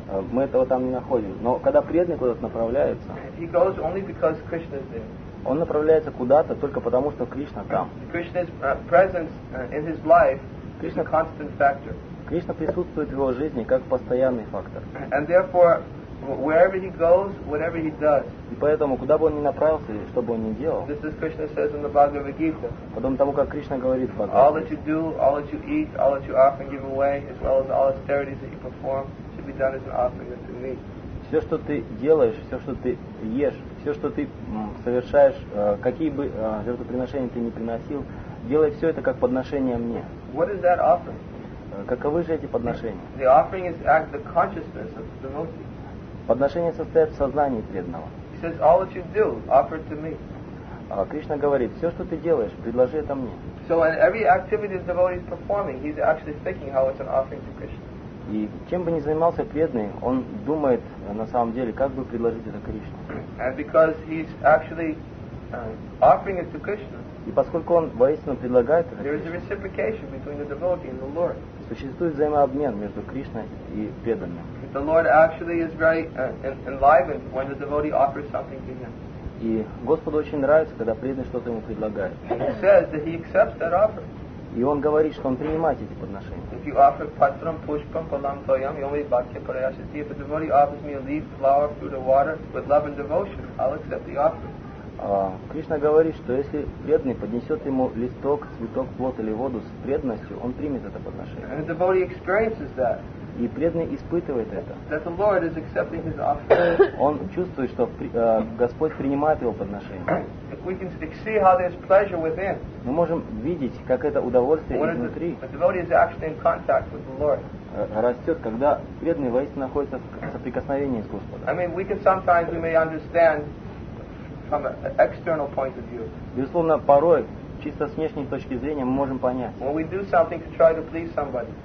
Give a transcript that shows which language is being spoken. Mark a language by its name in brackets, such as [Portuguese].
[Russian] мы этого там не находим. Но когда преданный куда-то направляется, [English] he goes only because Krishna is there. [Russian] Он направляется куда-то только потому, что Кришна там. [English] Krishna's presence in his life is a constant factor. [Russian] Кришна присутствует в его жизни как постоянный фактор. [English] And therefore, wherever he goes, whatever he does. [Russian] И поэтому, куда бы он ни направился, что бы он ни делал. [English] This is Krishna says in the Bhagavad Gita. [Russian] Потом тому, как Кришна говорит в Бхагавад [English] All that you do, all that you eat, all that you offer and give away, as well as all austerities that you perform, should be done as an offering unto me. [Russian] Все, что ты делаешь, все, что ты ешь, все, что ты совершаешь, какие бы жертвоприношения ты ни приносил, делай все это как подношение мне. [English] What is that offering? [Russian] Каковы же эти подношения? [English] The offering is act the consciousness of the devotee. [Russian] Подношение состоит в сознании преданного. [English] He says, all that you do, offer to me. [Russian] Кришна говорит, все, что ты делаешь, предложи это мне. [English] So in every activity the devotee is performing, he's actually thinking how it's an offering to Krishna. [Russian] И чем бы ни занимался преданный, он думает на самом деле, как бы предложить это Кришне. [English] And because he's actually offering it to Krishna. [Russian] И поскольку он воистину предлагает это, [English] there is a reciprocation between the devotee and the Lord. [Russian] Существует взаимообмен между Кришной и преданным. [English] The Lord actually is very enlivened when the devotee offers something to him. [Russian] И Господу очень нравится, когда преданный что-то ему предлагает. [English] He says that he accepts that offer. [Russian] И он говорит, что он принимает эти подношения. [English] If you offer [Sanskrit] patram, pushpam, palam, toyam, yomi, bhakya, parayashati, [English] if a devotee offers me a leaf, flower, fruit, or water with love and devotion, I'll accept the offer. [Russian] Кришна говорит, что если преданный поднесет ему листок, цветок, плод или воду с преданностью, он примет это подношение. [English] And the devotee experiences that. [Russian] И преданный испытывает это. [English] That the Lord is accepting his offer. [Russian] Он чувствует, что Господь принимает его подношение. [English] We can see how there's pleasure within. [Russian] Мы можем видеть, как это удовольствие изнутри. [English] When a devotee is actually in contact with the Lord. [Russian] Растет, когда преданный воистину находится в соприкосновении с Господом. [English] I mean, we can sometimes we may understand from an external point of view. [Russian] Безусловно, порой чисто с внешней точки зрения мы можем понять. [English] When we do something to try to please somebody.